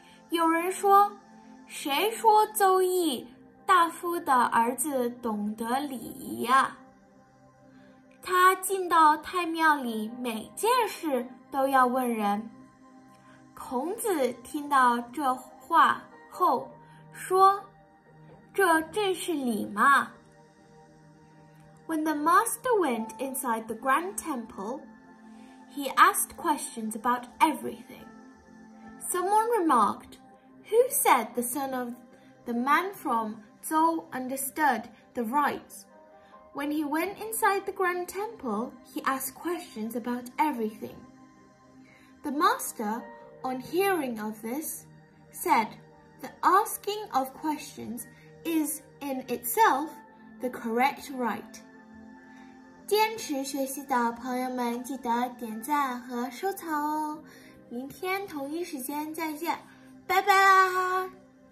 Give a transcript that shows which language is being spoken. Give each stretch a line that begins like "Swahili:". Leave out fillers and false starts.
Chinese: 有人说，谁说邹邑大夫的儿子懂得礼仪呀？他进到太庙里，每件事都要问人。孔子听到这话后说，这正是礼嘛。
English: When the master went inside the grand temple, he asked questions about everything. Someone remarked, "Who said the son of the man from Tsou understood the rites?" When he went inside the grand temple, he asked questions about everything. The master, on hearing of this, said, "The asking of questions is in itself the correct rite."
Chinese: 坚持学习的朋友们，记得点赞和收藏哦！明天同一时间再见，拜拜啦！